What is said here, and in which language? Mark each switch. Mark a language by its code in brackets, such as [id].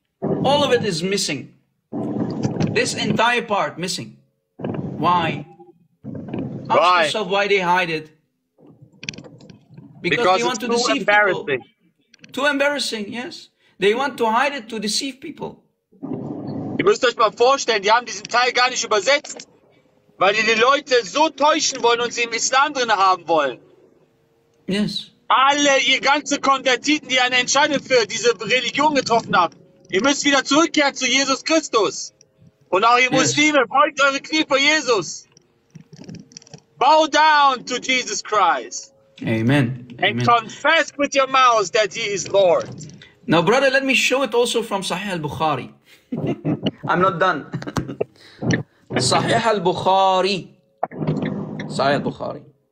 [en] All of it is missing. This entire part missing. Why? Why? Ask yourself why they hide it. Because they want to deceive people. Too embarrassing, yes. They want to hide it to deceive people. [de] Ihr müsst euch mal vorstellen, die haben diesen Teil gar nicht übersetzt, weil die Leute so täuschen wollen und sie im Islam drin haben wollen. [en] Yes. [de] Alle, ihr ganze Konvertiten, die eine Entscheidung für diese Religion getroffen haben, ihr müsst wieder zurückkehren zu Jesus Christus. Und auch ihr Muslime, beugt eure Knie vor Jesus. [en] Bow down to Jesus Christ. Amen. And confess with your mouth that he is Lord. Now, brother, let me show it also from Sahih al-Bukhari. I'm not done. Sahih al-Bukhari. Sahih al-Bukhari.